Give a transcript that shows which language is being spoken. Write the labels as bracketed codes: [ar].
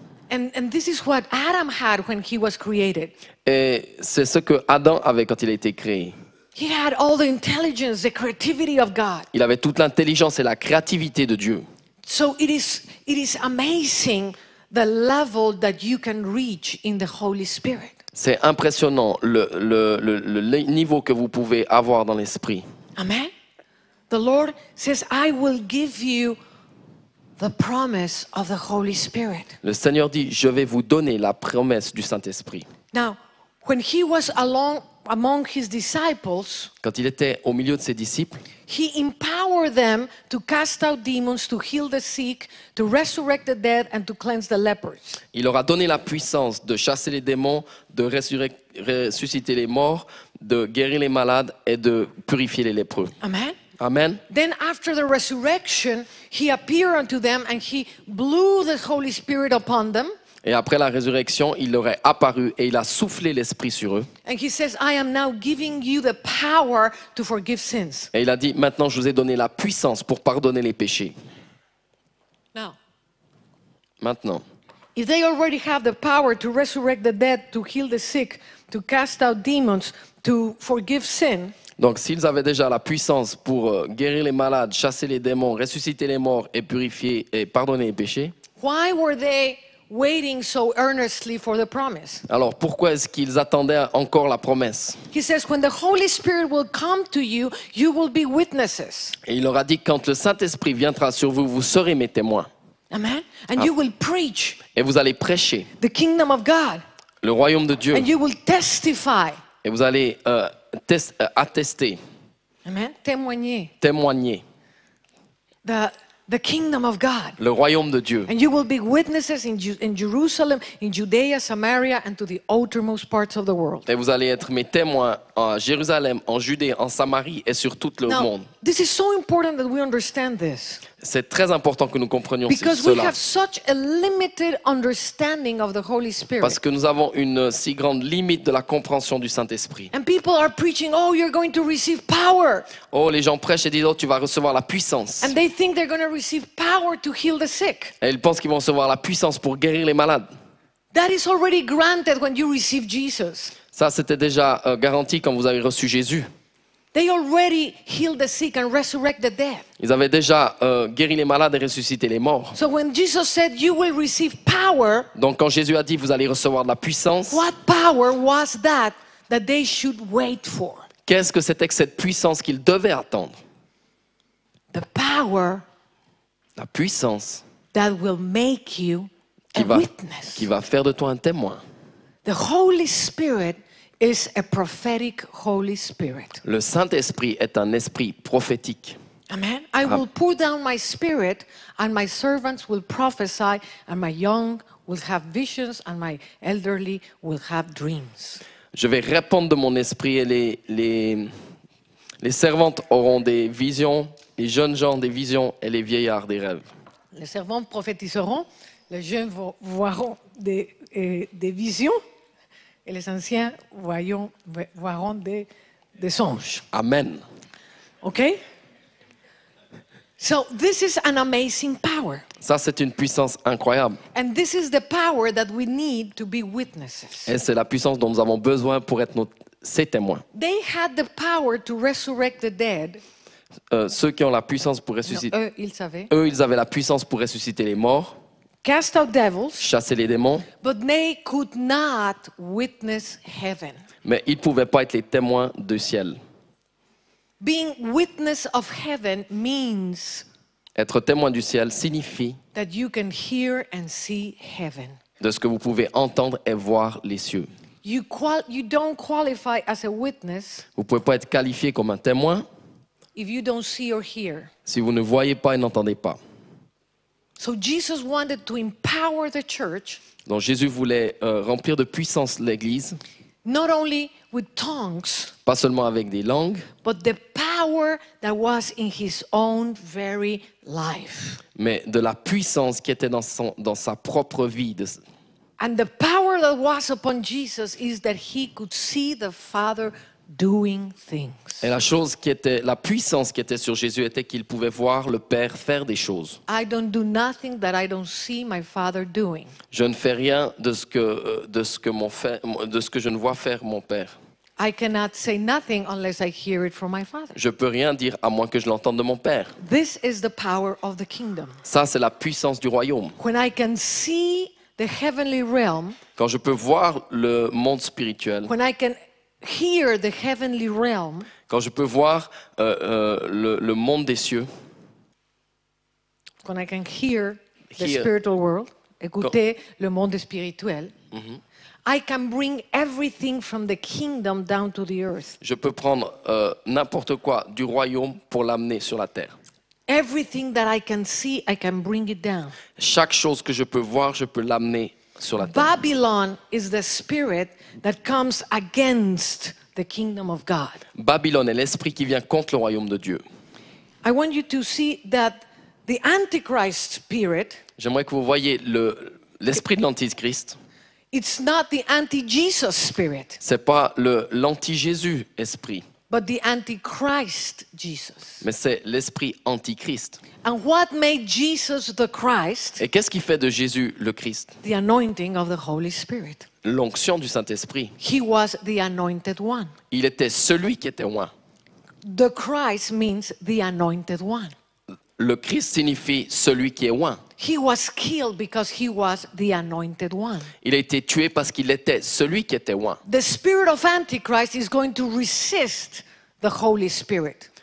[en] And this is what Adam had when he was created. [fr] Et c'est ce que Adam avait quand il a été créé. [en] He had all the intelligence, the creativity of God. [fr] Il avait toute l'intelligence et la créativité de Dieu. [en] So it is amazing the level that you can reach in the Holy Spirit. [fr] C'est impressionnant le niveau que vous pouvez avoir dans l'esprit. [en] Amen. The Lord says, "I will give you the promise of the Holy Spirit." [fr] Le Seigneur dit, je vais vous donner la promesse du Saint-Esprit. [en] Now, when he was along among his disciples, [fr] quand il était au milieu de ses disciples, [en] he empowered them to cast out demons, to heal the sick, to resurrect the dead, and to cleanse the lepers. [fr] Il leur a donné la puissance de chasser les démons, de ressusciter les morts, de guérir les malades et de purifier les lépreux. [en] Amen. Amen. Then after the resurrection, he appeared unto them and he blew the Holy Spirit upon them. [fr] Et après la résurrection, il leur est apparu et il a soufflé l'esprit sur eux. [en] And he says, "I am now giving you the power to forgive sins." [fr] Et il a dit, maintenant je vous ai donné la puissance pour pardonner les péchés. [en] Now. [fr] Maintenant. [en] If they already have the power to resurrect the dead, to heal the sick, to cast out demons, to forgive sin. [fr] Donc s'ils avaient déjà la puissance pour guérir les malades, chasser les démons, ressusciter les morts et purifier et pardonner les péchés. [en] Why were they waiting so earnestly for the promise? [fr] Alors pourquoi est-ce qu'ils attendaient encore la promesse? [en] He says, when the Holy Spirit will come to you, you will be witnesses. [fr] Et il leur a dit, quand le Saint-Esprit viendra sur vous, vous serez mes témoins. [en] Amen. And you will preach. [fr] Et vous allez prêcher. [en] The kingdom of God. [fr] Le royaume de Dieu. [en] And you will testify. [fr] Et vous allez attester. Amen. Témoigner. Témoigner. [en] The kingdom of God. [fr] Le royaume de Dieu. [en] And you will be witnesses in Jerusalem, in Judea, Samaria, and to the outermost parts of the world. [fr] Et vous allez être mes témoins en Jérusalem, en Judée, en Samarie et sur tout le monde. [en] Now, this is so important that we understand this. [fr] C'est très important que nous comprenions [en] because [fr] cela. [en] Because we have such a limited understanding of the Holy Spirit. [fr] Parce que nous avons une si grande limite de la compréhension du Saint-Esprit. [en] And people are preaching, "Oh, you're going to receive power." [fr] Oh, les gens prêchent et disent, "Oh, tu vas recevoir la puissance." [en] And they think they're going to receive power to heal the sick. [fr] Et ils pensent qu'ils vont recevoir la puissance pour guérir les malades. [en] That is already granted when you receive Jesus. [fr] Ça, c'était déjà garanti quand vous avez reçu Jésus. [en] They already healed the sick and resurrected the dead. [fr] Ils avaient déjà guéri les malades et ressuscité les morts. [en] So when Jesus said, "You will receive power," [fr] donc quand Jésus a dit, vous allez recevoir de la puissance. [en] What power was that that they should wait for? [fr] Qu'est-ce que c'était que cette puissance qu'ils devaient attendre? [en] The power. [fr] La puissance. [en] That will make you a witness. [fr] Qui va faire de toi un témoin. [en] The Holy Spirit is a prophetic Holy Spirit. [fr] Le Saint-Esprit est un esprit prophétique. [en] Amen. I will pour down my spirit and my servants will prophesy and my young will have visions and my elderly will have dreams. [fr] Je vais répandre de mon esprit et les servantes auront des visions, les jeunes gens des visions et les vieillards des rêves. Les servantes prophétiseront, les jeunes voiront des visions. Et les anciens voiront des songes. [en] Amen. OK? So this is an amazing power. [fr] Ça, c'est une puissance incroyable. [en] And this is the power that we need to be witnesses. [fr] Et c'est la puissance dont nous avons besoin pour être ses témoins. [en] They had the power to resurrect the dead. [fr] Ceux qui ont la puissance pour ressusciter. Non, ils savaient. Eux, ils avaient la puissance pour ressusciter les morts. [en] Cast out devils. [fr] Chasser les démons. [en] But they could not witness heaven. [fr] Mais ils ne pouvaient pas être les témoins du ciel. [en] Being witness of heaven means [fr] être témoin du ciel signifie [en] that you can hear and see heaven. [fr] De ce que vous pouvez entendre et voir les cieux. [en] You don't qualify as a witness. [fr] Vous pouvez pas être qualifié comme un témoin [en] if you don't see or hear. [fr] Si vous ne voyez pas et n'entendez pas. [en] So Jesus wanted to empower the church. [fr] Donc Jésus voulait remplir de puissance l'église. [en] Not only with tongues, [fr] pas seulement avec des langues, [en] but the power that was in his own very life. [fr] Mais de la puissance qui était dans sa propre vie. [en] And the power that was upon Jesus is that he could see the Father doing things. [fr] Et la chose qui était la puissance qui était sur Jésus était qu'il pouvait voir le Père faire des choses. [en] I don't do nothing that I don't see my Father doing. [fr] Je ne fais rien de ce que je ne vois faire mon Père. [en] I cannot say nothing unless I hear it from my Father. [fr] Je peux rien dire à moins que je l'entende de mon Père. [en] This is the power of the kingdom. [fr] Ça c'est la puissance du royaume. [en] When I can see the heavenly realm, [fr] quand je peux voir le monde spirituel, [en] when I can hear the heavenly realm, [fr] quand je peux voir le monde des cieux, [en] when I can hear the spiritual world, [fr] écouter le monde spirituel, [en] I can bring everything from the kingdom down to the earth. [fr] Je peux prendre n'importe quoi du royaume pour l'amener sur la terre. [en] Everything that I can see, I can bring it down. [fr] Chaque chose que je peux voir, je peux l'amener sur la terre. [en] Babylon is the spirit that comes against the kingdom of God. [fr] Babylone est l'esprit qui vient contre le royaume de Dieu. [en] I want you to see that the Antichrist spirit. [fr] J'aimerais que vous voyez l'esprit de l'Antichrist. [en] It's not the anti-Jesus spirit. [fr] C'est pas l'anti-Jésus esprit. [en] But the Antichrist Jesus. [fr] Mais c'est l'esprit antichrist. [en] And what made Jesus the Christ? [fr] Et qu'est-ce qui fait de Jésus le Christ? [en] The anointing of the Holy Spirit. [fr] L'onction du Saint-Esprit. [en] He was the anointed one. [fr] Il était celui qui était oint. [en] The Christ means the anointed one. [fr] Le Christ signifie celui qui est oint. [en] He was killed because he was the anointed one. [fr] Il a été tué parce qu'il était celui qui était oint. [en] The spirit of Antichrist is going to resist the Holy Spirit.